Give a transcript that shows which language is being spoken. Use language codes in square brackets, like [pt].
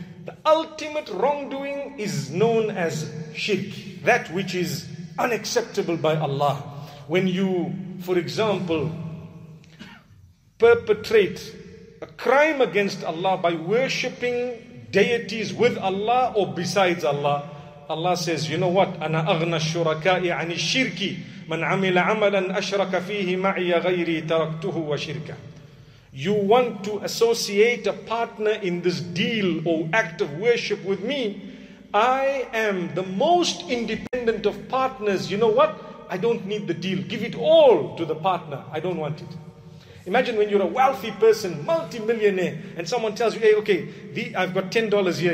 [en] The ultimate wrongdoing is known as shirk, that which is unacceptable by Allah. When you, for example, perpetrate a crime against Allah by worshipping deities with Allah or besides Allah, Allah says, you know what? [ar] أَنَا أَغْنَى الشُّرَكَاءِ عَنِ الشِّرْكِ مَنْ عَمِلَ عَمَلًا أَشْرَكَ فِيهِ مَعِيَ غَيْرِي تَرَكْتُهُ وَشِرْكَ. [en] You want to associate a partner in this deal or act of worship with me, I am the most independent of partners. You know what? I don't need the deal. Give it all to the partner. I don't want it. Imagine when you're a wealthy person, multi-millionaire, and someone tells you, hey, okay, I've got $10 here.